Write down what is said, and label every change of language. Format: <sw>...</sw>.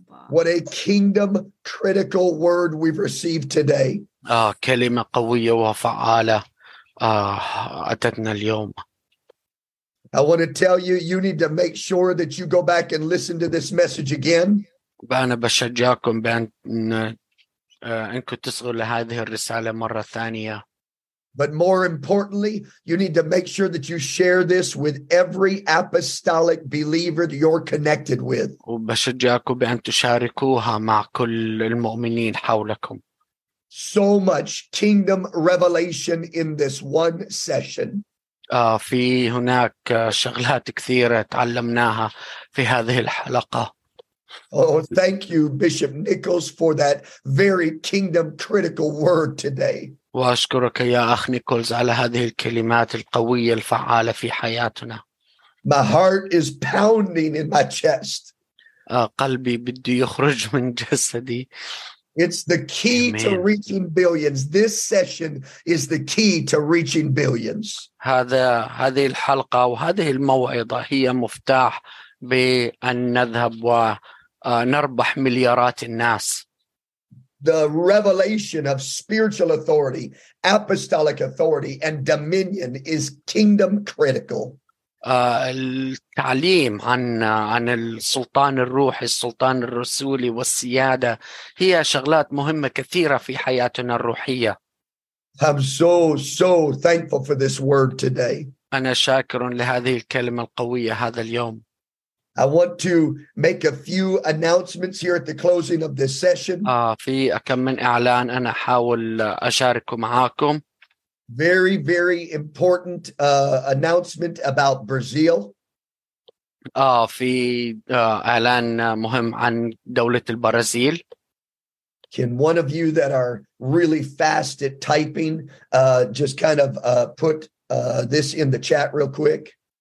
<en>What a kingdom critical word we've received today.</en> <ar>كلمة قوية وفعالة أتتنا اليوم.</ar> <en>I want to tell you, you need to make sure that you go back and listen to this message again.</en> <ar>أنا بشجعكم بأن أنكم تسمعوا لهذه الرسالة مرة ثانية.</ar> <en>But more importantly, you need to make sure that you share this with every apostolic believer that you're connected with.</en> <ar>وبشجعكم بأن تشاركوها مع كل المؤمنين حولكم.</ar> <en>So much kingdom revelation in this one session.</en> <ar>في هناك شغلات كثيرة تعلمناها في هذه الحلقة.</ar> <en>Oh, thank you, Bishop Nichols, for that very kingdom critical word today.</en> <ar>وأشكرك يا أخ نيكولز على هذه الكلمات القوية الفعالة في حياتنا.</ar> <en>My heart is pounding in my chest.</en> <ar>قلبي بدي يخرج من جسدي.</ar> <en>It's the key Amen. To reaching billions. This session is the key to reaching billions.</en> <ar>هذه الحلقة وهذه الموعظة هي مفتاح بأن نذهب ونربح مليارات الناس.</ar> <en>The revelation of spiritual authority, apostolic authority, and dominion is kingdom critical.</en> <ar>التعليم عن السلطان الروحي السلطان الرسولي والسيادة هي شغلات مهمة كثيرة في حياتنا الروحية.</ar> <en>I'm so thankful for this word today.</en> <ar>أنا شاكر لهذه الكلمة القوية هذا اليوم.</ar> <en>I want to make a few announcements here at the closing of this session.</en> <ar>في كم من إعلان أنا حاول أشارك معكم.</ar> <en>Very, very important announcement about Brazil.</en> <ar>في إعلان مهم عن دولة البرازيل.</ar> <en>Can one of you that are really fast at typing just kind of put this in the chat real quick?</en>